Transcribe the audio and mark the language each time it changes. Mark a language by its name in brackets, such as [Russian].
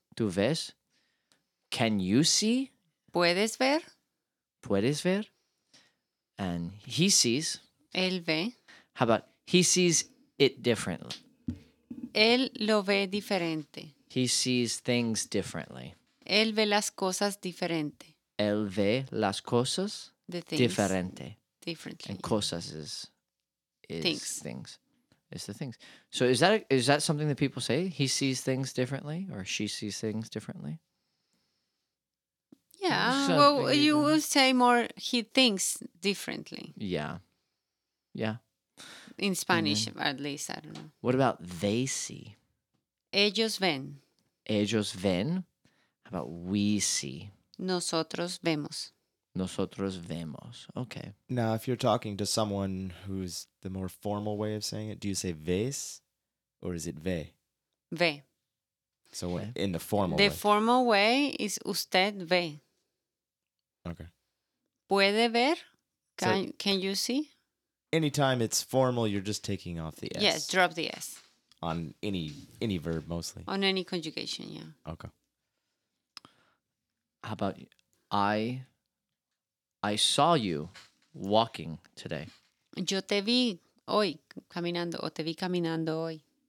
[Spanish] Tú ves. [English] Can you see? [Spanish] Puedes ver. Puedes ver. [English] And he sees. [Spanish] Él ve. [English] How about he sees it differently? [Spanish] Él lo ve diferente. [English] He sees things differently. [Spanish] Él ve las cosas diferente. Él ve las cosas diferente. [English] Differently. And cosas is things. It's the things. So is that something that people say? He sees things differently or she sees things differently? Yeah. Well, you would say more he thinks differently. Yeah. Yeah. In Spanish, at least, I don't know. What about they see? [Spanish] Ellos ven. Ellos ven. [English] How about we see? [Spanish] Nosotros vemos. Nosotros vemos. Okay. [English] Now, if you're talking to someone who's the more formal way of saying it, do you say ves or is it ve? [Spanish] Ve. [English] So ve. In the formal the way. The formal way is [Spanish] usted ve. [English] Okay. [Spanish] ¿Puede ver? [English] Can you see? Anytime it's formal, you're just taking off the S. Yes, drop the S. On any verb, mostly. On any conjugation, yeah. Okay. How about I saw you walking today. [Spanish] Yo te vi hoy caminando, o te vi caminando hoy.